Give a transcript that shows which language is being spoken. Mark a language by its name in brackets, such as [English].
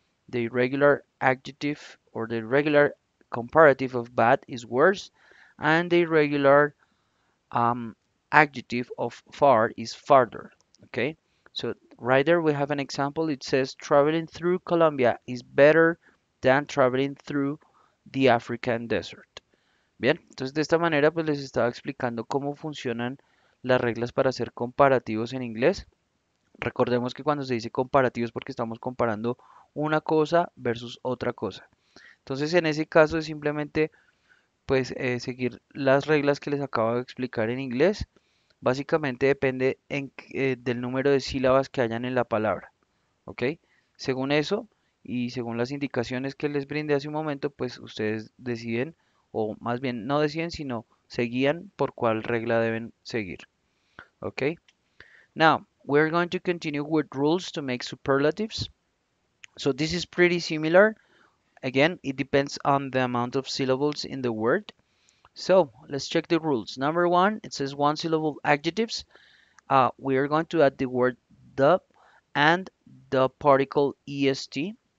[English] The irregular adjective or the irregular comparative of bad is worse. And the irregular adjective of far is farther. Okay. So right there we have an example. It says traveling through Colombia is better than traveling through the African desert. [Spanish] Bien, entonces de esta manera pues les estaba explicando cómo funcionan las reglas para hacer comparativos en inglés. Recordemos que cuando se dice comparativos es porque estamos comparando una cosa versus otra cosa. Entonces en ese caso es simplemente pues seguir las reglas que les acabo de explicar en inglés. Básicamente depende del número de sílabas que hayan en la palabra, ¿ok? Según eso y según las indicaciones que les brindé hace un momento, pues ustedes deciden, o más bien no deciden, sino se guían por cuál regla deben seguir, ¿ok? [English] Now, we're going to continue with rules to make superlatives. So this is pretty similar. Again, it depends on the amount of syllables in the word. So, let's check the rules. Number one, it says one syllable adjectives. We are going to add the word the and the particle est.